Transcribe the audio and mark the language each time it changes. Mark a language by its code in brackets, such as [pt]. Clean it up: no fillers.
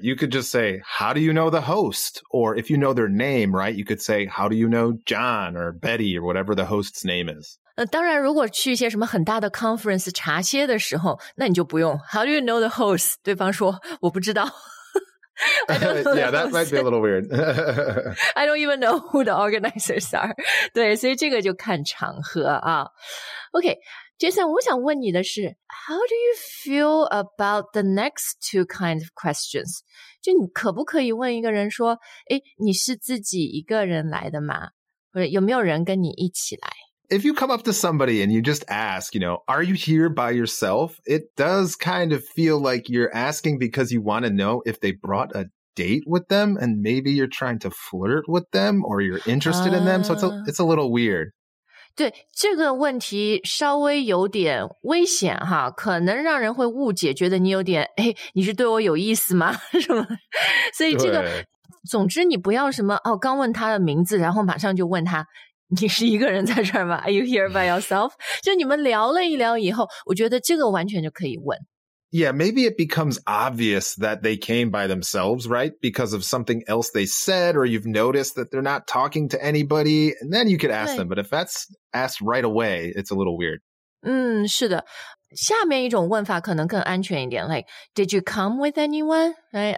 [en] You could just say, how do you know the host? Or if you know their name, right, you could say, how do you know John or Betty or whatever the host's name is? [zh] 当然如果去一些什么很大的 conference 茶歇的时候，那你就不用。 [en] How do you know the host? [zh] 对方说，我不知道。 [en] Yeah, that might be a little weird. I don't even know who the organizers are. [zh] 对，所以这个就看场合啊。 [en] Okay, Jason, [zh] 我想问你的是 [en] ,how do you feel about the next two kinds of questions? [zh] 就你可不可以问一个人说，诶，你是自己一个人来的吗？或者有没有人跟你一起来？ [en] If you come up to somebody and you just ask, you know, are you here by yourself? It does kind of feel like you're asking because you want to know if they brought a date with them and maybe you're trying to flirt with them or you're interested in them. So it's a little weird. [zh] 对，这个问题稍微有点危险哈，可能让人会误解，觉得你有点，哎，你是对我有意思吗？是吗？所以这个，总之你不要什么，哦，刚问他的名字，然后马上就问他。你是一个人在这儿吗？ [en] Are you here by yourself? [zh] 就你们聊了一聊以后，我觉得这个完全就可以问。 [en] Yeah, maybe it becomes obvious that they came by themselves, right? Because of something else they said, or you've noticed that they're not talking to anybody, and then you could ask them. But if that's asked right away, it's a little weird. [zh] 嗯，是的。下面一种问法可能更安全一点， [en] like, did you come with anyone? Right?